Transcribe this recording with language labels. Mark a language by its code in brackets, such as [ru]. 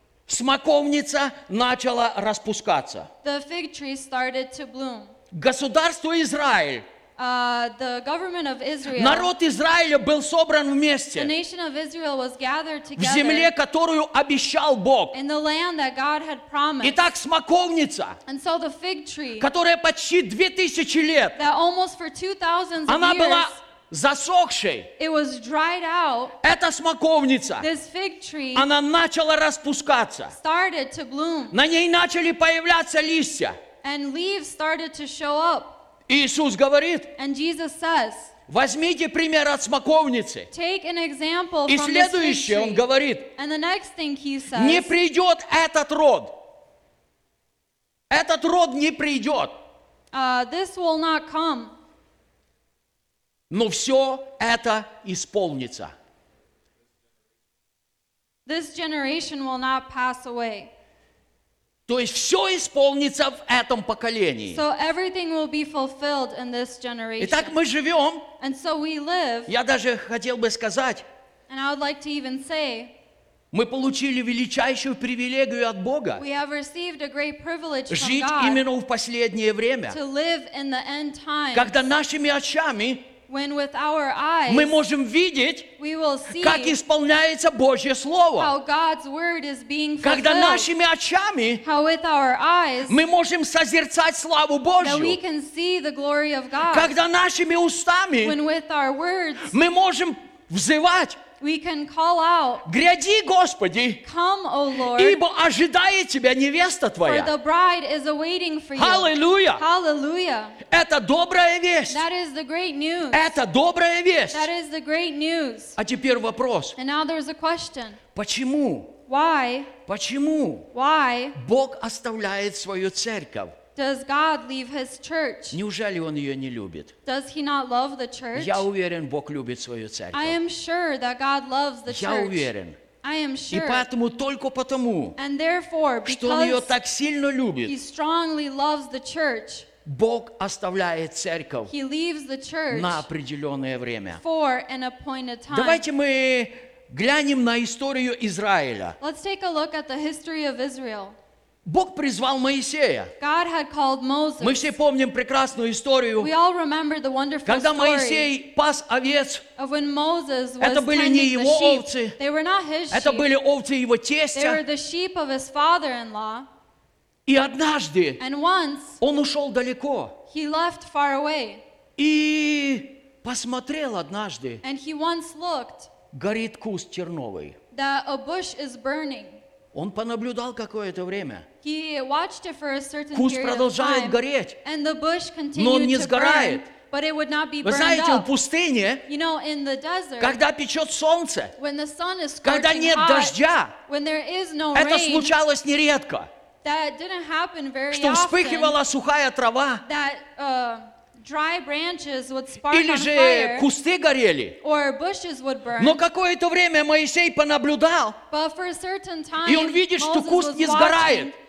[ru] смоковница начала распускаться. [en] The fig tree started to bloom. [ru] Государство Израиль, [en] the government of Israel, [ru] народ Израиля был собран вместе, [en] the nation of Israel was gathered together, [ru] в земле, которую обещал Бог. [en] In the land that God had promised. [ru] Итак, смоковница, [en] and so the fig tree, [ru] которая почти 2000 лет, [en] that almost for 2000 [ru] она [en] years, [ru] была засохшей. [en] It was dried out. [ru] Эта смоковница, [en] this fig tree, [ru] она начала распускаться. [en] Started to bloom. [ru] На ней начали появляться листья. [en] And leaves started to show up. [ru] Иисус говорит, [en] and Jesus says, [ru] возьмите пример от смоковницы. [en] Take an example from this fig tree. [ru] И следующее Он говорит, [en] and the next thing He says, [ru] не придет этот род. Этот род не придет. [en] This will not come. [ru] Но все это исполнится. [en] This generation will not pass away. [ru] То есть все исполнится в этом поколении. [en] So everything will be fulfilled in this generation. [ru] Итак, мы живем. [en] And so we live. [ru] Я даже хотел бы сказать. [en] And I would like to even say. [ru] Мы получили величайшую привилегию от Бога. [en] We have received a great privilege from God. [ru] Жить именно в последнее время. [en] To live in the end times. [ru] Когда нашими очами. [en] When with our eyes, [ru] мы можем видеть, [en] we will see, [ru] как исполняется Божье Слово. [en] How God's word is being fulfilled. [ru] Когда нашими очами, [en] how with our eyes, [ru] мы можем созерцать славу Божью. [en] That we can see the glory of God. [ru] Когда нашими устами, [en] when with our words, [ru] мы можем взывать, [en] we can call out, [ru] гряди, Господи, [en] come, O Lord, [ru] ибо ожидает тебя невеста твоя. [en] For the bride is awaiting for you. Hallelujah. Hallelujah. [ru] Это добрая весть. [en] That is the great news. [ru] Это добрая весть. [en] That is the great news. [ru] А теперь вопрос. [en] And now there's a question. [ru] Почему? [en] Why? [ru] Почему? [en] Why? [ru] Бог оставляет свою церковь. [en] Does God leave His church? [ru] Неужели Он ее не любит? [en] Does He not love the church? [ru] Я уверен, Бог любит свою церковь. [en] I am sure that God loves the [ru] Я [en] church. [ru] Я уверен. [en] I am sure. [ru] И поэтому, только потому, [en] and therefore, because [ru] что Он ее так сильно любит, [en] He strongly loves the church, [ru] Бог оставляет церковь, [en] He leaves the church, [ru] на определенное время. [en] For an appointed time. [ru] Давайте мы глянем на историю Израиля. [en] Let's take a look at the history of Israel. [ru] Бог призвал Моисея. [en] God had called Moses. [ru] Мы все помним прекрасную историю. [en] We all remember the wonderful story. [ru] Когда Моисей пас овец, [en] of when Moses was [ru] это были не его [en] the sheep. [ru] Овцы. [en] They were not his sheep. [ru] Это были овцы его тестя. [en] They were the sheep of his father-in-law. [ru] И однажды, [en] and once, [ru] он ушел далеко. [en] He left far away. [ru] И посмотрел однажды. [en] And he once looked. [ru] Горит куст терновый. [en] That a bush is burning. [ru] Он понаблюдал какое-то время. [en] He watched it for a certain [ru] куст продолжает [en] period of time, [ru] гореть. [en] And the bush continued, [ru] но он не сгорает. [en] Burn, but it would not be [ru] вы знаете, в пустыне, [en] you know, in the desert, [ru] когда печет солнце, [en] when the sun is scorching [ru] когда нет [en] hot, [ru] дождя, [en] when there is no [ru] это [en] rain, [ru] случалось нередко, [en] that didn't happen very [ru] что вспыхивала [en] often, [ru] сухая трава, [en] that, dry branches would spark [ru] или же [en] on fire, [ru] кусты горели. [en] Or bushes would burn. [ru] Но какое-то время Моисей понаблюдал. [en] But for a certain time, [ru] и он видит, что куст не сгорает.